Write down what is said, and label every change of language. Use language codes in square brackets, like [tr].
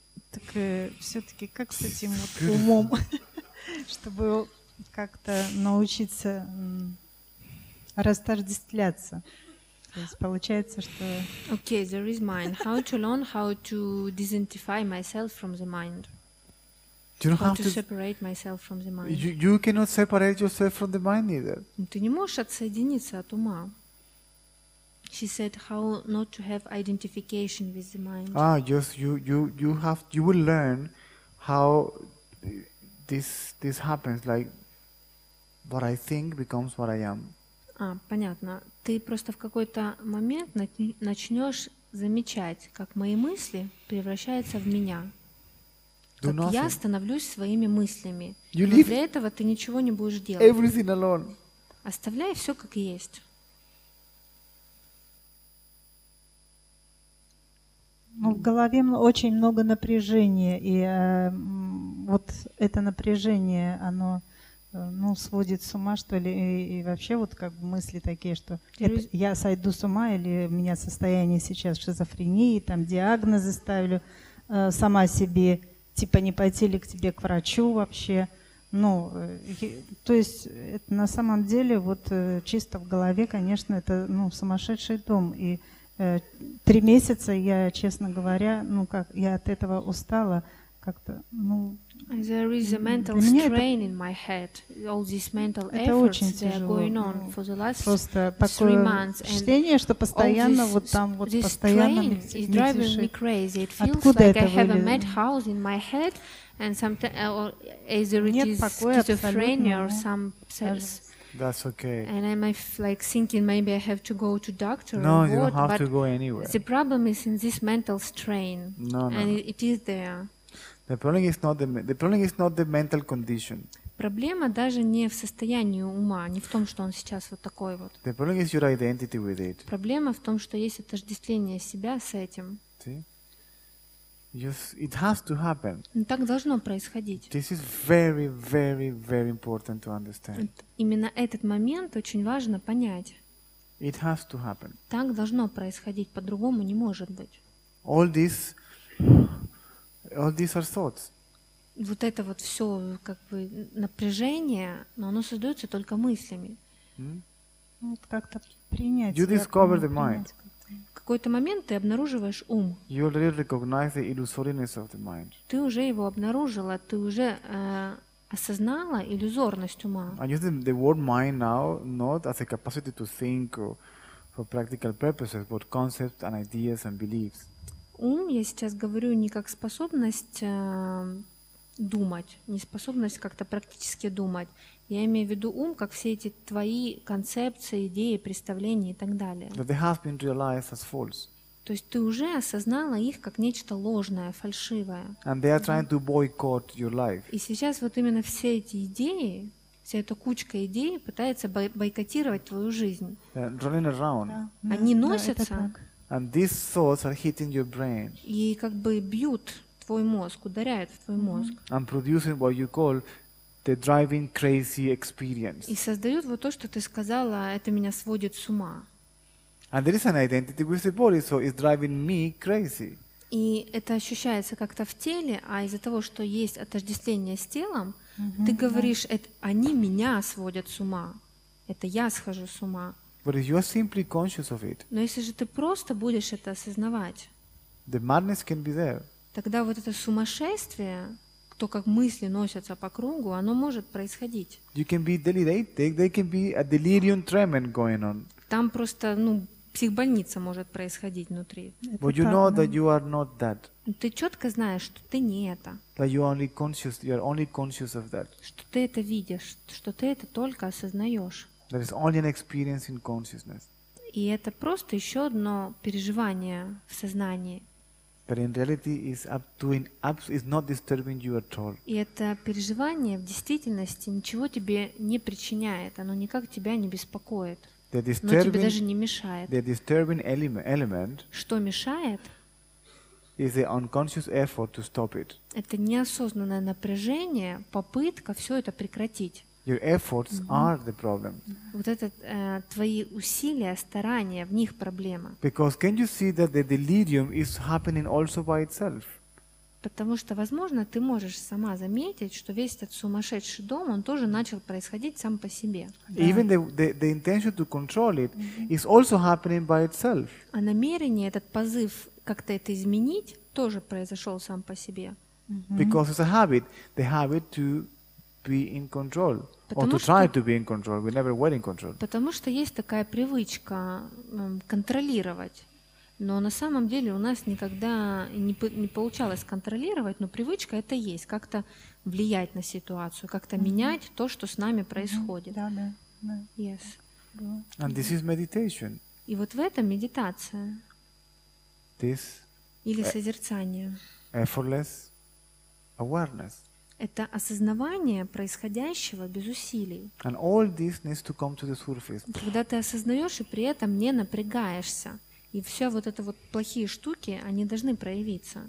[ru] Так все-таки как с этим вот умом, чтобы как-то научиться растождествляться? То есть получается, что... [en] Okay, there is mind. How to learn how to disidentify myself from the mind? You don't have to separate myself from the mind. You cannot separate yourself from the mind either. [ru] Ты не можешь отсоединиться от ума. [en] She said how not to have identification with the mind. Ah, yes, you will learn how this happens, like what I think becomes what I am. [ru] А, понятно. Ты просто в какой-то момент начнешь замечать, как мои мысли превращаются в меня. Как я становлюсь своими мыслями. [en] You [ru] Но для этого ты ничего не будешь делать. [en] Everything alone. [ru] Оставляй все как есть. Ну, в голове очень много напряжения, и вот это напряжение, оно сводит с ума, что ли, и вообще вот как бы мысли такие, что я сойду с ума, или у меня состояние сейчас шизофрении, там диагнозы ставлю сама себе, типа не пойти ли к тебе к врачу вообще, то есть это на самом деле вот чисто в голове, конечно, это сумасшедший дом, и 3 месяца я, честно говоря, я от этого устала как-то, [en] There is a mental strain in my head. All these mental efforts that are going on for the last 3 months. [ru] Ощущение, что постоянно вот там вот постоянно мне тяжело. [en] This strain is driving me crazy. It feels like I have a madhouse in my head, and sometimes, or either it is schizophrenia or some cells. That's okay. And I'm like thinking maybe I have to go to doctor. No, or you what, don't have to go anywhere. The problem is in this mental strain. No, no. And it is there. The problem is not the mental condition. [ru] Проблема даже не в состоянии ума, не в том, что он сейчас вот такой вот. [en] The problem is your identity with it. [ru] Проблема в том, что есть отождествление себя с этим. [en] See? It has to happen. [ru] Так должно происходить. [en] This is very, very, very important to understand. [ru] Именно этот момент очень важно понять. [en] It has to happen. [ru] Так должно происходить, по-другому не может быть. [en] All these are thoughts. [ru] Вот это вот все как бы напряжение, но оно создается только мыслями. Вот как-то принять. [en] You discover the mind. [ru] В какой-то момент ты обнаруживаешь ум. [en] You already recognize the illusoriness of the mind. [ru] Ты уже его обнаружила, ты уже осознала иллюзорность ума. [en] I use the word mind now not as a capacity to think or for practical purposes, but concepts and ideas and beliefs. [ru] Ум, я сейчас говорю, не как способность думать, не способность как-то практически думать. Я имею в виду ум, как все эти твои концепции, идеи, представления и так далее. [en] That they have been realized as false. [ru] То есть ты уже осознала их как нечто ложное, фальшивое. [en] And they are trying to boycott your life. [ru] И сейчас вот именно все эти идеи, вся эта кучка идей пытается бойкотировать твою жизнь. [en] Yeah, running around. Yeah. [ru] Они носятся. [en] And these thoughts are hitting your brain. [ru] И как бы бьют твой мозг, ударяют в твой мозг. [en] And producing what you call the driving crazy experience. [ru] И создают вот то, что ты сказала, это меня сводит с ума. [en] And there is an identity with the body, so it's driving me crazy. [ru] И это ощущается как-то в теле, а из-за того, что есть отождествление с телом, ты говоришь, это они меня сводят с ума, это я схожу с ума. [en] But if you are simply conscious of it, [ru] но если же ты просто будешь это осознавать, [en] the madness can be there. [ru] Тогда вот это сумасшествие, то, как мысли носятся по кругу, оно может происходить. [en] You can be delirated, there can be a delirium tremens going on. [ru] Там просто, ну, психбольница может происходить внутри. [en] But you know that you are not that. [ru] Ты четко знаешь, что ты не это. [en] That you are only conscious, you are only conscious of that. [ru] Что ты это видишь, что ты это только осознаешь. [en] There is only an experience in consciousness. [ru] И это просто еще одно переживание в сознании. [en] But in reality, it's not disturbing you at all. [ru] И это переживание в действительности ничего тебе не причиняет, оно никак тебя не беспокоит. Но тебе даже не мешает. [en] The disturbing element. [ru] Что мешает? [en] Is the unconscious effort to stop it. [ru] Это неосознанное напряжение, попытка все это прекратить. [en] Your efforts are the problem. [ru] Вот это твои усилия, старания, в них проблема. [en] Because can you see that the delirium is happening also by itself? [ru] Потому что, возможно, ты можешь сама заметить, что весь этот сумасшедший дом, он тоже начал происходить сам по себе. Да. [en] Even the intention to control it is also happening by itself. [ru] А намерение, этот позыв как-то это изменить, тоже произошел сам по себе. [en] Because it's a habit, the habit to be in control, or to try to be in control. We never were in control. [ru] Потому что есть такая привычка контролировать, но на самом деле у нас никогда не получалось контролировать, но привычка это есть, как-то влиять на ситуацию, как-то менять то, что с нами происходит. Да, да. [en] Yes. And this is meditation. [ru] И вот в этом медитация. [en] This. [ru] Или созерцание. [en] Effortless awareness. [ru] Это осознавание происходящего без усилий. [en] And all this needs to come to the surface. [ru] Когда ты осознаешь и при этом не напрягаешься, и все вот это вот плохие штуки, они должны проявиться.